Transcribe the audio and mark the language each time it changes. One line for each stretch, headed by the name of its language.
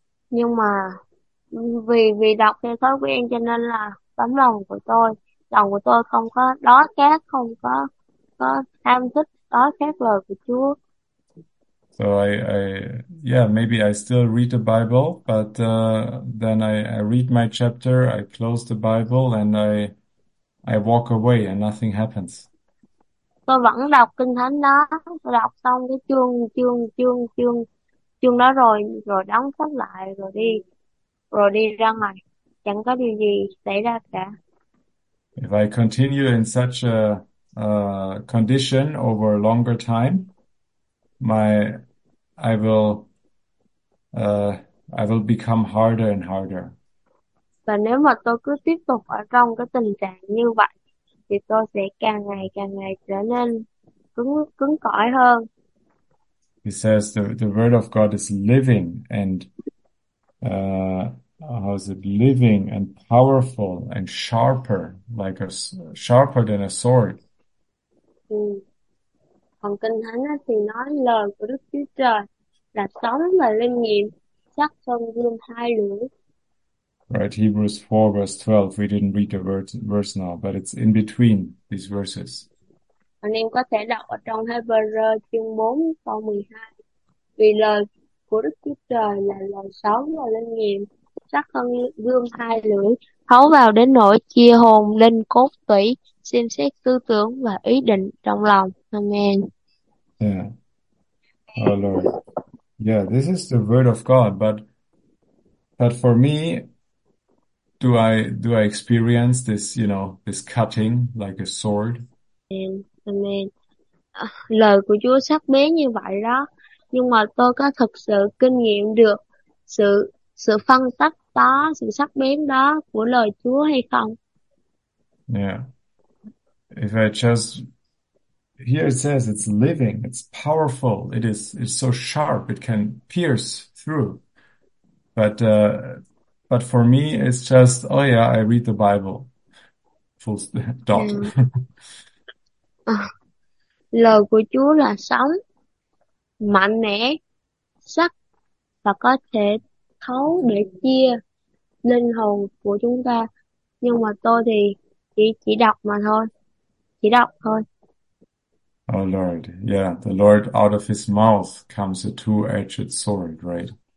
Vietnamese: Nhưng mà vì vì đọc theo thói quen cho nên là tấm lòng của tôi không có đói khát, không có ham thích, đói khát lời của Chúa.
English: So maybe I still read the Bible, but then I read my chapter, I close the Bible, and I walk away and nothing happens.
Vietnamese: Tôi vẫn đọc Kinh Thánh đó, tôi đọc xong cái chương chương chương chương chương đó rồi rồi đóng sách lại rồi đi ra ngoài, chẳng có điều gì xảy ra cả.
English: If I continue in such a condition over a longer time, I will become harder and harder.
Vietnamese: Và nếu mà tôi cứ tiếp tục ở trong cái tình trạng như vậy thì tôi sẽ càng ngày trở nên cứng cứng cỏi hơn.
English: He says the word of God is living and how is it living and powerful and sharper, like a sharper than a sword.
Vietnamese: Còn Kinh Thánh thì nói lời của Đức Chúa Trời là sống và linh nghiệm, sắc hơn gươm hai lưỡi.
English: Right, Hebrews 4 verse 12. We didn't read the verse now, but it's in between these verses.
Vietnamese: Anh em có thể đọc ở trong Hebrew chương 4 câu 12. Vì lời của Đức Chúa Trời là lời sống và linh nghiệm, sắc hơn gươm hai lưỡi, thấu vào đến nỗi chia hồn linh cốt tủy, xem xét tư tưởng và ý định trong lòng. Amen.
English: Oh Lord. Yeah, this is the word of God, but for me, do I experience this cutting like a sword? Amen.
Vietnamese: Lời của Chúa sắc bén như vậy đó, nhưng mà tôi có thực sự kinh nghiệm được sự sự phân tích đó, sự sắc bén đó của lời Chúa hay không?
English: Here it says it's living, it's powerful, it's so sharp, it can pierce through. But for me, it's just, oh yeah, I read the Bible. Full dot.
Vietnamese: Lời của Chúa là sống, mạnh mẽ, sắc và có thể thấu để chia. linh hồn của chúng ta. Nhưng mà tôi thì chỉ đọc mà thôi, chỉ đọc thôi.
English: Lord, yeah, the Lord out of his mouth comes a two-edged sword, right?